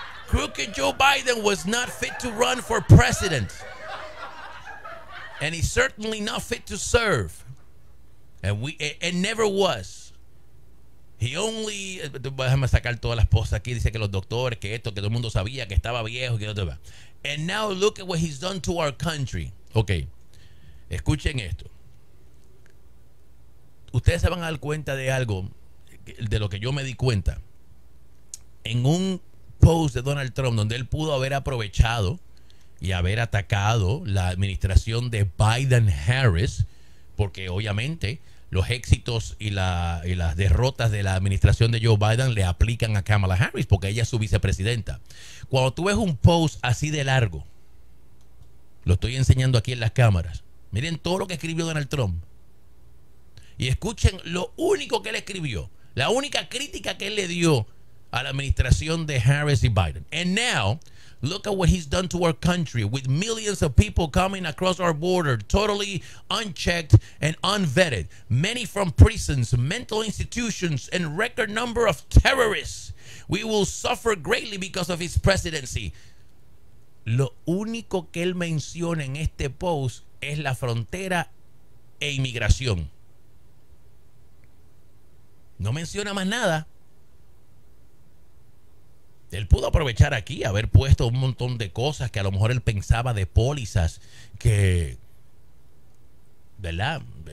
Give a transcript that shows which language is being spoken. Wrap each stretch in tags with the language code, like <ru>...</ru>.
<en>Crooked Joe Biden was not fit to run for president. And he's certainly not fit to serve. And never was. He only,</en> <es>déjame sacar todas las posts aquí, dice que los doctores, que esto, que todo el mundo sabía que estaba viejo, que todo.</es> <en>And now look at what he's done to our country.</en> <es>Okay. Escuchen esto. Ustedes se van a dar cuenta de algo, de lo que yo me di cuenta. En un post de Donald Trump donde él pudo haber aprovechado y haber atacado la administración de Biden-Harris, porque obviamente los éxitos y las derrotas de la administración de Joe Biden le aplican a Kamala Harris, porque ella es su vicepresidenta. Cuando tú ves un post así de largo, lo estoy enseñando aquí en las cámaras, miren todo lo que escribió Donald Trump. Y escuchen lo único que él escribió, la única crítica que él le dio a la administración de Harris y Biden.</es> <en>And now, look at what he's done to our country with millions of people coming across our border totally unchecked and unvetted, many from prisons, mental institutions, and record number of terrorists. We will suffer greatly because of his presidency.</en> <es>Lo único que él menciona en este post es la frontera e inmigración. No menciona más nada. Él pudo aprovechar aquí, haber puesto un montón de cosas que a lo mejor él pensaba de pólizas que, ¿verdad?</es>